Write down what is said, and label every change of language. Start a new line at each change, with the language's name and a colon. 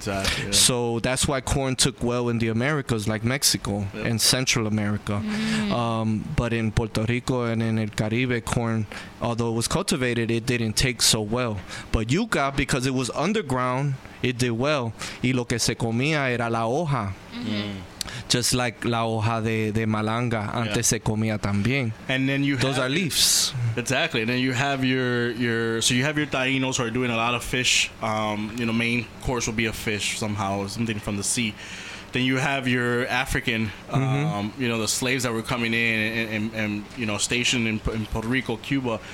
English: Exactly, yeah. So that's why corn took well in the Americas, like Mexico and Central America. But in Puerto Rico and in El Caribe, corn, although it was cultivated, it didn't take so well. But yuca, because it was underground, it did well.
Spanish: Y lo que se comía era la hoja.
English: Just like
Spanish: la hoja de malanga, antes se comía también.
English: And then are leaves. Exactly. And then you have your Taínos who are doing a lot of fish. You know, main course will be a fish somehow, something from the sea. Then you have your African, you know, the slaves that were coming in and you know, stationed in Puerto Rico, Cuba.